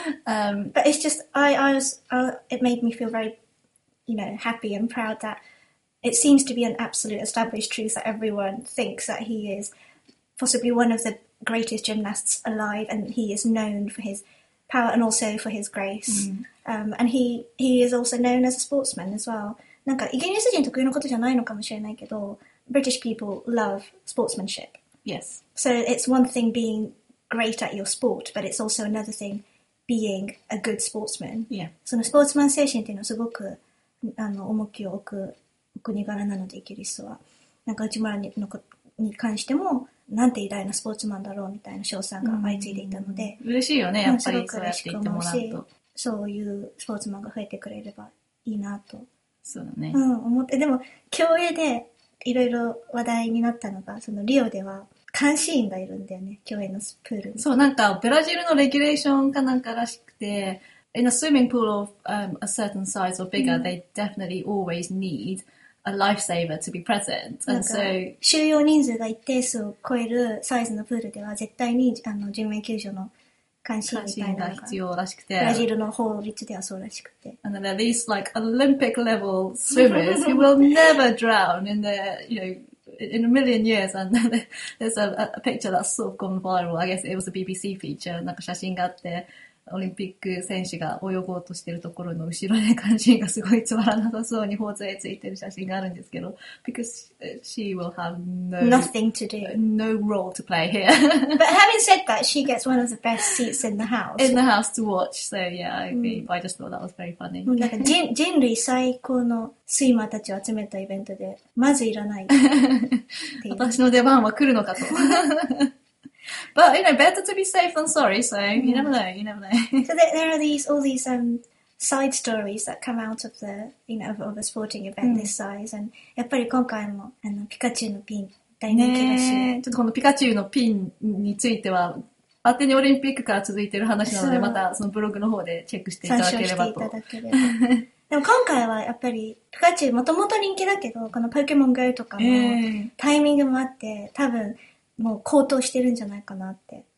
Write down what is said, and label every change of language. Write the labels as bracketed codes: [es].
[en] But it's just it made me feel very you know happy and proud that it seems to be an absolute established truth that everyone thinks that he is possibly one of the greatest gymnasts alive and he is known for hispower and also for his grace.、And he is also known as a sportsman as well. [ja] なんかイギリス人特有のことじゃないのかもしれないけど、 [en] British people love sportsmanship. Yes. So it's one thing being great at your sport, but it's also another thing being a good sportsman. Yeah. [ja] そのスポーツマン精神っていうのはすごくあの重きを置く国柄なので、イギリスは。なんか内村のことに関しても、なんて偉大なスポーツマンだろうみたいな称賛が相次いでいたので、嬉しいよねやっぱりそうやって言ってもらうと、そういうスポーツマンが増えてくれればいいなと、そうだね、うん思って、でも競泳でいろいろ話題になったのがそのリオでは監視員がいるんだよね競泳のプールに、そうなんかブラジルのレギュレーションかなんからしくて、 [en] in a swimming pool of a certain size or bigger, they definitely always need. A lifesaver to be present. And so, [ja] 収容人数が一定数を超えるサイズのプールでは絶対にあの人命救助の監視が必要らしくて、ブラジルの法律ではそうらしくて、 [en] and at least like Olympic level swimmers who will never drown in the you know in a million years. And there's a picture that's sort of gone viral. I guess it was a BBC feature. [ja] なんか写真があって。オリンピック選手が泳ごうとしているところの後ろで関心がすごいつまらなさそうに頬杖ついてる写真があるんですけど [en] because she will have no nothing to do no role to play here but having said that she gets one of the best seats in the house in the house to watch so yeah I agree but I just thought that was very funny [ja] なんか人類最高のスイマーたちを集めたイベントでまずいらない私の出番は来るのかと [en] But you know, better to be safe than sorry. So you never know. You never know. So there are all these side stories that come out of the you know of a sporting event this size. [ja] And やっぱり今回もあのピカチュウのピン大人気だし。ちょっとこのピカチュウのピンについては勝手にオリンピックから続いてる話なので、またそのブログの方でチェックしていただければと。参照していただければ。でも今回はやっぱりピカチュウもともと人気だけど、このポケモン GO とかもタイミングもあって、多分もう高騰してるんじゃないかなって。